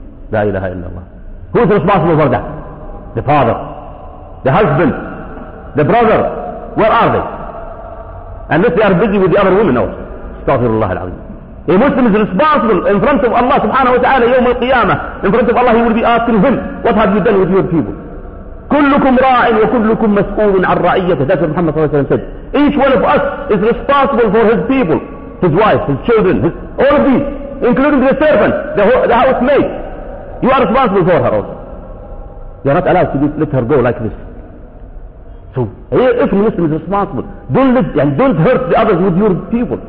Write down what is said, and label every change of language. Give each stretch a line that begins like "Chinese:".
English: La ilaha illallah. Who is responsible for that? The father, the husband, the brother. Where are they? Unless they are busy with the other women, no. Astaghfirullah al-Azim. A Muslim is responsible in front of Allah subhanahu wa ta'ala, yawm al-qiyamah. In front of Allah, he will be asking him, what have you done with your people?
Arabic: كلكم راع وكلكم مسؤول عن رعيته.
English: That's what Muhammad sallallahu alayhi wa sallam said. Each one of us is responsible for his people, his wife, his children, his, all of these, including the servant, the housemaid. You are responsible for her also. You are not allowed to let her go like this. So, if a Muslim is responsible, don't hurt the others with your people.